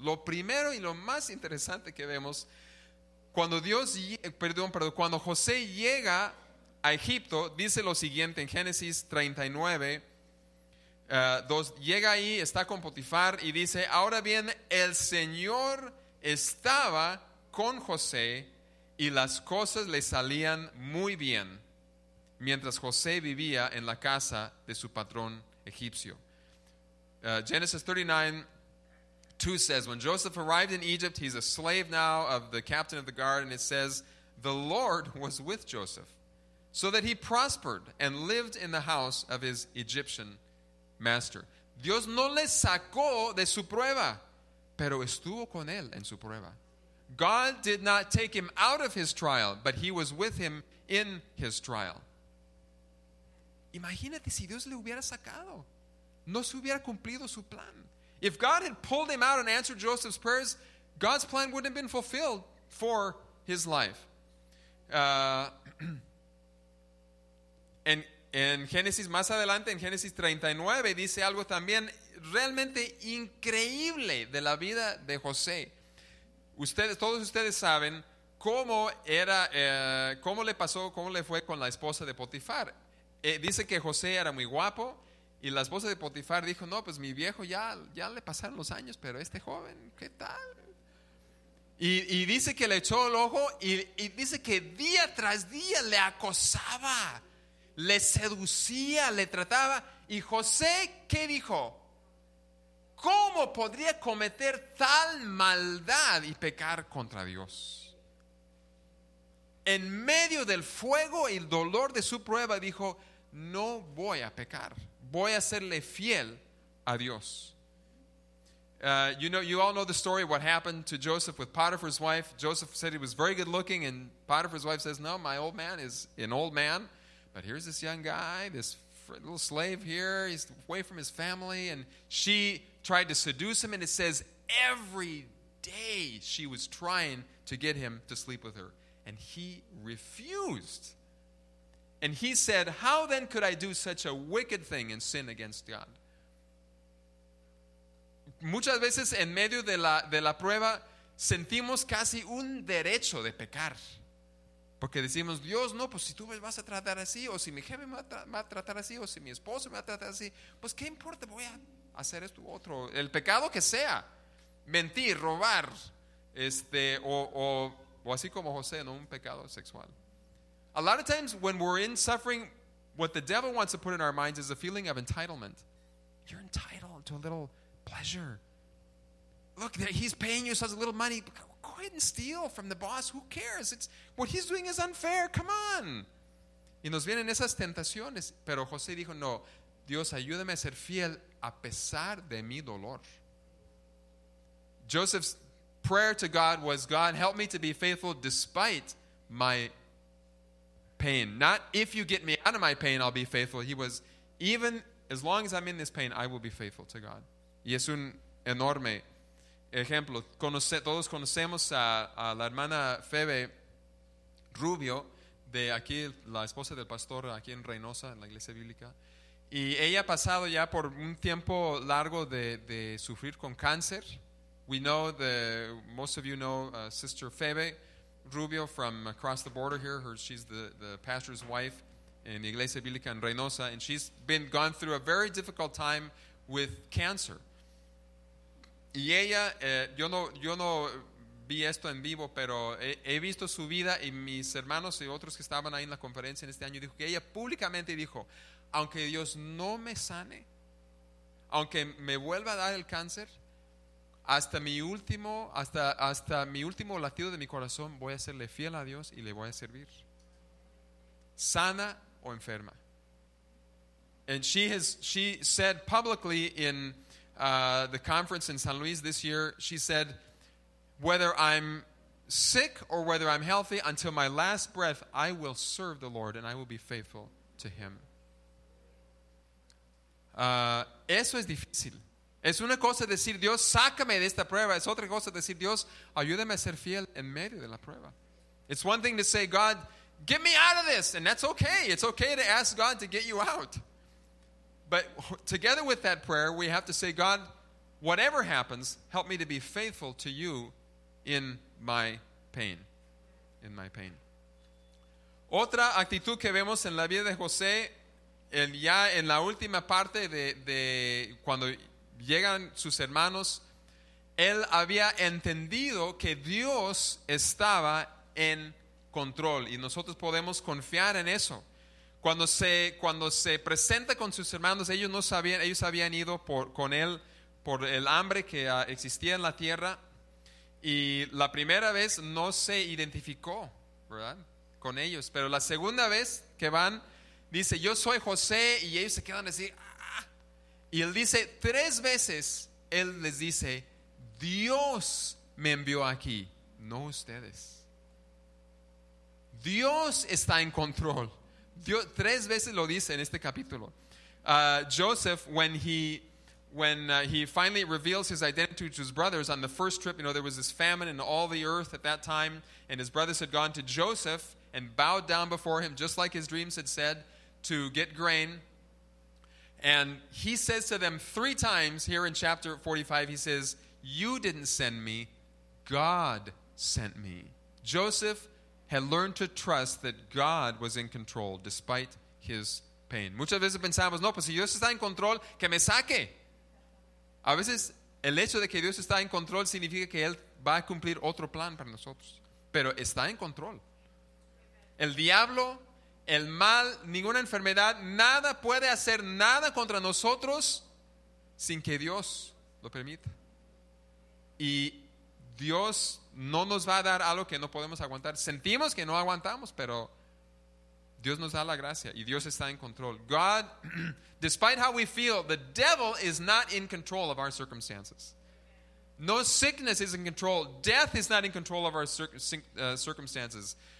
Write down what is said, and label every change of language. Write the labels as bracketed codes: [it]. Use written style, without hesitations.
[es] Lo primero y lo más interesante que vemos, cuando José llega a Egipto, dice lo siguiente en Génesis 39, llega ahí, está con Potifar y dice, ahora bien, el Señor estaba con José y las cosas le salían muy bien mientras José vivía en la casa de su patrón egipcio. [en] Genesis 39:2 says, when Joseph arrived in Egypt, he's a slave now of the captain of the guard, and it says, the Lord was with Joseph, so that he prospered and lived in the house of his Egyptian master. [es] Dios no le sacó de su prueba, pero estuvo con él en su prueba. [en] God did not take him out of his trial, but he was with him in his trial. [es] Imagínate si Dios le hubiera sacado. No se hubiera cumplido su plan. [en] If God had pulled him out and answered Joseph's prayers, God's plan wouldn't have been fulfilled for his life. [es] En Génesis, más adelante, en Génesis 39, dice algo también realmente increíble de la vida de José. Todos ustedes saben cómo era, cómo le pasó, cómo le fue con la esposa de Potifar. Dice que José era muy guapo y la esposa de Potifar dijo, no, pues mi viejo ya le pasaron los años, pero este joven, ¿qué tal? Y dice que le echó el ojo y dice que día tras día le acosaba, le seducía, le trataba. Y José, ¿qué dijo? ¿Cómo podría cometer tal maldad y pecar contra Dios? En medio del fuego y el dolor de su prueba, dijo, no voy a pecar. Voy a serle fiel a Dios. [en] You all know the story of what happened to Joseph with Potiphar's wife. Joseph said he was very good looking, and Potiphar's wife says, no, my old man is an old man. But here's this young guy, this little slave here. He's away from his family. And she tried to seduce him. And it says every day she was trying to get him to sleep with her. And he refused. And he said, how then could I do such a wicked thing and sin against God? [es] Muchas veces en medio de la prueba sentimos casi un derecho de pecar. Porque decimos, Dios, no, pues si tú me vas a tratar así, o si mi jefe me va a tratar así, o si mi esposo me va a tratar así, pues qué importa, voy a hacer esto u otro. El pecado que sea, mentir, robar, o así como José, ¿no? Un pecado sexual. [en] A lot of times when we're in suffering, what the devil wants to put in our minds is a feeling of entitlement. You're entitled to a little pleasure. Look, he's paying you such a little money. Go ahead and steal from the boss. Who cares? It's what he's doing is unfair. Come on. [es] Y nos vienen esas tentaciones. Pero José dijo, no, Dios, ayúdame a ser fiel a pesar de mi dolor. [en] Joseph's prayer to God was, God, help me to be faithful despite my pain. Not if you get me out of my pain, I'll be faithful. He was, even as long as I'm in this pain, I will be faithful to God. [es] Y es un enorme ejemplo. Todos conocemos a la hermana Febe Rubio, de aquí, la esposa del pastor aquí en Reynosa, en la iglesia bíblica. Y ella ha pasado ya por un tiempo largo de sufrir con cáncer. [en] We know, most of you know, Sister Febe Rubio from across the border here. She's the pastor's wife in the [es] iglesia bíblica en Reynosa. [en] And she's been gone through a very difficult time with cancer. [es] Y ella, yo no vi esto en vivo, pero he visto su vida, y mis hermanos y otros que estaban ahí en la conferencia en este año, dijo que ella públicamente dijo, aunque Dios no me sane, aunque me vuelva a dar el cáncer, hasta mi último latido de mi corazón voy a serle fiel a Dios y le voy a servir. Sana o enferma. [en] And she said publicly in the conference in San Luis this year, she said, whether I'm sick or whether I'm healthy, until my last breath, I will serve the Lord and I will be faithful to Him. [es] Eso es difícil. Es una cosa decir, Dios, sácame de esta prueba. Es otra cosa decir, Dios, ayúdame a ser fiel en medio de la prueba. [en] It's one thing to say, God, get me out of this. And that's okay. It's okay to ask God to get you out. But together with that prayer, we have to say, God, whatever happens, help me to be faithful to you in my pain. In my pain. [es] Otra actitud que vemos en la vida de José, ya en la última parte de cuando llegan sus hermanos, él había entendido que Dios estaba en control, y nosotros podemos confiar en eso. Cuando se presenta con sus hermanos, ellos no sabían, ellos habían ido con él por el hambre que existía en la tierra, y la primera vez no se identificó, ¿verdad?, con ellos. Pero la segunda vez que van, dice, yo soy José, y ellos se quedan así. Y él dice, tres veces, él les dice, Dios me envió aquí. no ustedes. Dios está en control. Dios, tres veces lo dice en este capítulo. [en] Joseph, when he finally reveals his identity to his brothers on the first trip, you know, there was this famine in all the earth at that time, and his brothers had gone to Joseph and bowed down before him, just like his dreams had said, to get grain. And he says to them three times here in chapter 45, he says, "You didn't send me, God sent me." Joseph had learned to trust that God was in control despite his pain. [es] Muchas veces pensamos, no, pues si Dios está en control, que me saque. A veces el hecho de que Dios está en control significa que Él va a cumplir otro plan para nosotros. Pero está en control. El diablo, el mal, ninguna enfermedad, nada puede hacer nada contra nosotros sin que Dios lo permita. Y Dios no nos va a dar algo que no podemos aguantar. Sentimos que no aguantamos, pero Dios nos da la gracia y Dios está en control. [en] God, despite how we feel, the devil is not in control of our circumstances. No sickness is in control. Death is not in control of our circumstances.